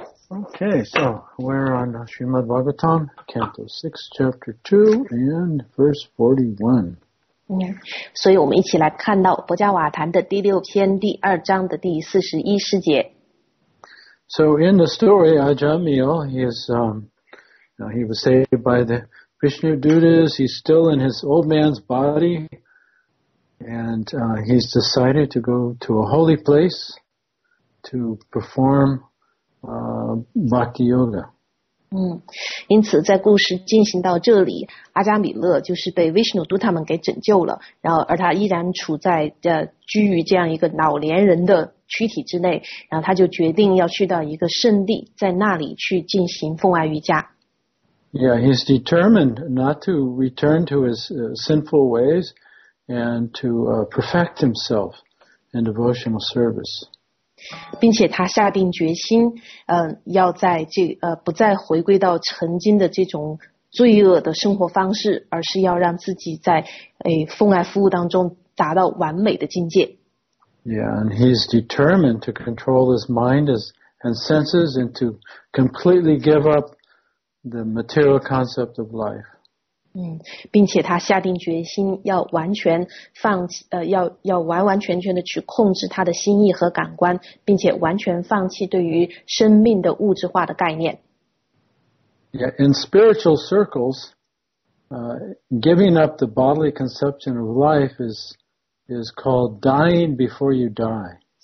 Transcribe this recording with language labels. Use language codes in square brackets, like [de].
[en] Okay, so we're on Srimad Bhagavatam, Canto 6, Chapter 2, and Verse 41. [zh] 所以我们一起来看到博加瓦坛的第六篇第二章的第四十一诗节。 [en] So in the story, Ajamiyo, he was saved by the Vishnu Dutas. He's still in his old man's body, and he's decided to go to a holy place to perform Bhakti Yoga. [zh] 因此在故事进行到这里，阿加米勒就是被 Vishnu Dutta 们给拯救了，然后而他依然处在居于这样一个老年人的躯体之内，然后他就决定要去到一个圣地，在那里去进行奉爱瑜伽。 [en] Yeah, he's determined not to return to his sinful ways and to perfect himself in devotional service. [zh] 并且他下定决心，要在这不再回归到曾经的这种罪恶的生活方式，而是要让自己在奉爱服务当中达到完美的境界。 [en] Yeah, and he's determined to control his mind and senses and to completely give up the material concept of life. [zh] 并且他下定决心要完全放弃要完完全全的去控制他的心意和感官，并且完全放弃对于生命的物质化的概念。 [en] Yeah, in spiritual circles, giving up the bodily conception of life is called dying before you die.